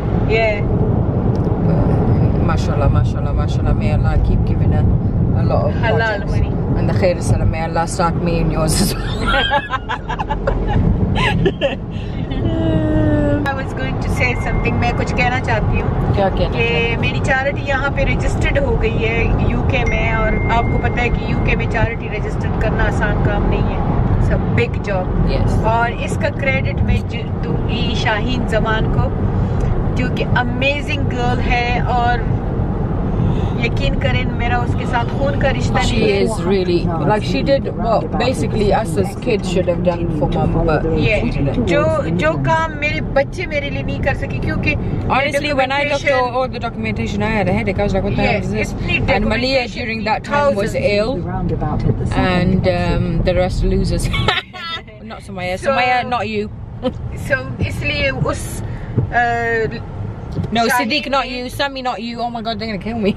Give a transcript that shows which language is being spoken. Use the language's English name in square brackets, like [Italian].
[English] Yeah. Mashallah, mashallah, mashallah. May Allah keep giving her a lot of halal money. And the khair salam. May Allah start me and yours as well. I was going to say something. [Hindi] मैं कुछ कहना चाहती हूँ कि मेरी charity यहाँ पे registered हो गई है यूके में, और आपको पता है कि यूके में चैरिटी रजिस्टर्ड करना आसान काम नहीं है. [English] It's a big job. Yes. [Hindi] और इसका क्रेडिट मैं दूंगी शाहीन जमान को, क्योंकि अमेजिंग गर्ल है, और यकीन करें मेरा उसके साथ खून का रिश्ता नहीं है. [English] She is really like she did well. Basically, us as kids should have done for mom, but yeah. [Hindi] जो काम मेरे बच्चे मेरे लिए नहीं कर सके, क्योंकि [English] honestly when I looked at all the documentation I had a headache. I was like, what the hell is this? And Malia during that time was ill, and the rest are losers. Not Sumaya. Sumaya, not you. [Hindi] So इसलिए उस [English] No, Shaheen, Sadiq, not you. Sami, not you. Oh my God, they're gonna kill me.